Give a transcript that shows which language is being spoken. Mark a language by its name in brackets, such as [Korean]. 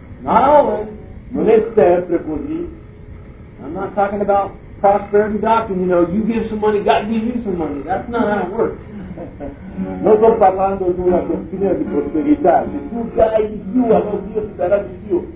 [English] Not always. [Italian] Non è sempre così. [English] I'm not talking about prosperity doctrine, you know, you give some money, God gives you some money. That's not how it works. [Italian] Non sto parlando di una dottrina di prosperità, se tu dai di più, allora Dio ti darà di più.